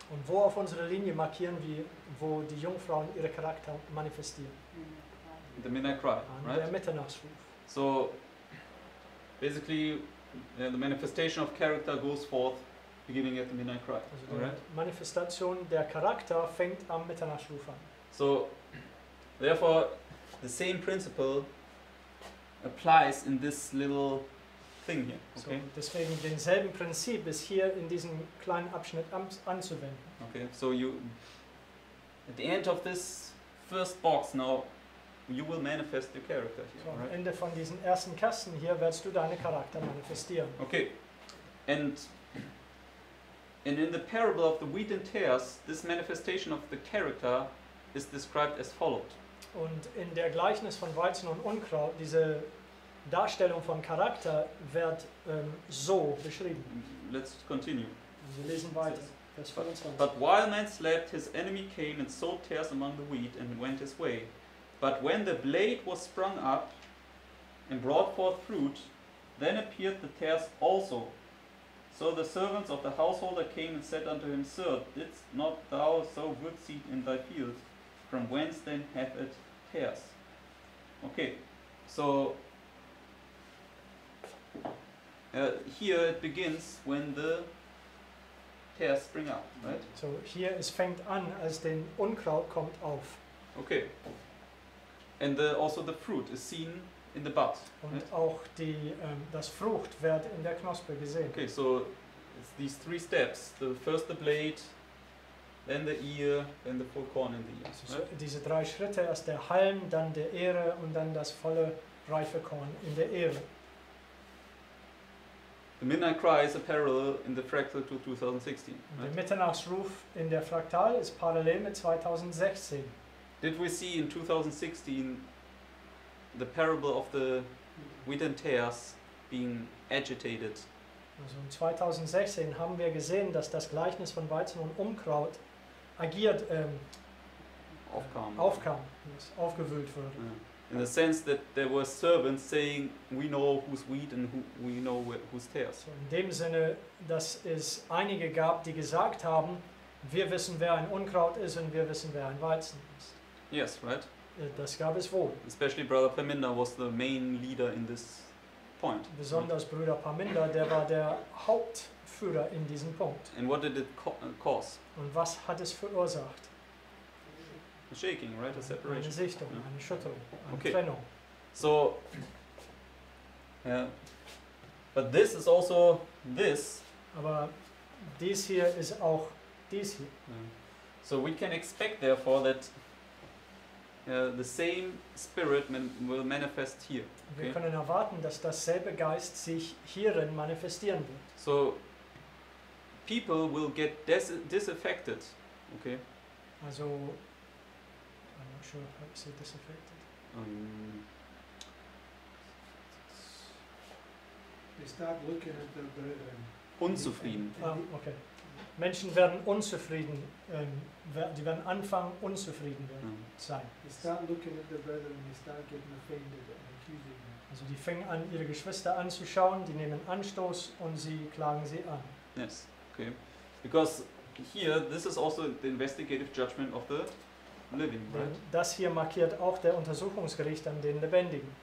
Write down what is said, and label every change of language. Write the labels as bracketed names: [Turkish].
[German] Und wo auf unserer Linie markieren wir, wo die Jungfrauen ihre Charakter manifestieren? [English] The midnight cry, right? [German] Der Mitternachtsruf. [English] So. Basically, the manifestation of character goes forth beginning at the midnight cry. [German] Also die Manifestation der Charakter fängt am Mitternachtsruf an. [English] So, therefore, the same principle applies in this little thing here. Okay? [German] So, deswegen denselben Prinzip ist hier in diesem kleinen Abschnitt anzuwenden. [English] Okay, so you, at the end of this first box now, you will manifest your character here. [German] So, am Ende von diesen ersten Kasten hier wirst du deine Charakter manifestieren. [English] Okay. And in the parable of the wheat and tares, this manifestation of the character is described as followed. [German] Und in der Gleichnis von Weizen und Unkraut, diese Darstellung von Charakter wird so beschrieben. [English] Let's continue. [German] Wir lesen weiter. Vers 25. [English] But while man slept, his enemy came and sowed tares among the wheat and went his way. But when the blade was sprung up and brought forth fruit, then appeared the tares also. So the servants of the householder came and said unto him, Sir, didst not thou sow good seed in thy field? From whence then hath it tares? Okay, so here it begins when the tares spring up, right? [German] So hier es fängt an, als den Unkraut kommt auf. [English] Okay. And the, also the fruit is seen in the bud. [German] Und right? Auch die das Frucht wird in der Knospe gesehen. [English] Okay, so it's these three steps: the first the blade, then the ear, then the full corn in the ear. [German] So, right? So diese drei Schritte: erst der Halm, dann der Ehre und dann das volle reife Korn in der Ehre. [English] The midnight cry is a parallel in the fractal to 2016. [German] Right? Der Mitternachtsruf in der Fraktal ist parallel mit 2016. [English] Did we see in 2016 the parable of the wheat and tares being agitated? [German] Also in 2016 haben wir gesehen, dass das Gleichnis von Weizen und Unkraut agiert aufkam, aufgewühlt wurde. [English] In the sense that there were servants saying, we know who's wheat and we know who's tares. [German] So in dem Sinne, dass es einige gab, die gesagt haben, wir wissen, wer ein Unkraut ist und wir wissen, wer ein Weizen ist. [English] Yes, right. [German] Das gab es wohl. [English] Especially Brother Paminda was the main leader in this point. [German] Besonders right? Bruder Paminda, der war der Hauptführer in diesem Punkt. [English] And what did it cause? [German] Und was hat es verursacht? [English] A shaking, right? A separation. [German] Eine Sichtung, yeah. Eine Schüttelung, eine [English] okay. [German] Trennung. [English] So, yeah. But this is also this. [German] Aber dies hier ist auch dies hier. [English] So we can expect, therefore, that the same spirit will manifest here. Okay? [German] Wir können erwarten, dass dasselbe Geist sich hierin manifestieren wird. [English] So, people will get disaffected. Okay. Also, I'm not sure how to say disaffected. They start looking at the brethren. [German] Unzufrieden. [English] Okay. [German] Menschen werden unzufrieden, die werden anfangen, unzufrieden werden, sein. [English] They start looking at the brethren and they start getting offended and accusing them. [German] Also die fangen an, ihre Geschwister anzuschauen, die nehmen Anstoß und sie klagen sie an. [English] Yes, okay. Because here, this is also the investigative judgment of the living, right? [German] Das hier markiert auch der Untersuchungsgericht an den Lebendigen.